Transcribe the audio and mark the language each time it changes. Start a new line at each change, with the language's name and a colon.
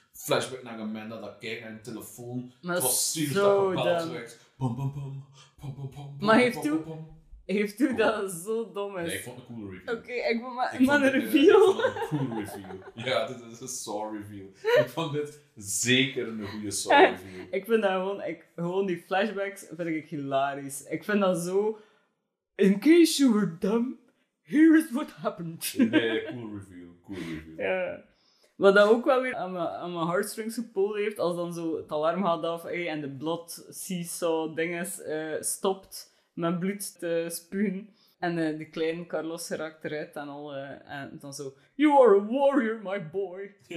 Dutch: flashback naar Amanda dat kijkt naar een telefoon. Maar het was zielig zo dat gebeld werd. Bum, bum, bum, bum, bum, bum, maar heeft u cool. dat zo dom is? Nee, ik vond een coole reveal. Oké, okay, ik vond maar ik vond een reveal. Ik vond een cool reveal. Ja, dit is een saw reveal. Ik vond dit zeker een goede saw reveal. Ik vind dat gewoon, gewoon die flashbacks vind ik hilarisch. Ik vind dat zo,
English: in case you were dumb, here is what happened.
Dutch: Nee, cool reveal, cool reveal. Ja. Wat dat ook wel weer aan mijn heartstrings gepoeld heeft, als dan zo het alarm gaat af en de blood seesaw dinges stopt met bloed te spuwen. En de kleine Carlos raakt eruit en al en dan zo,
English: you are a warrior, my boy.
Dutch: Ja.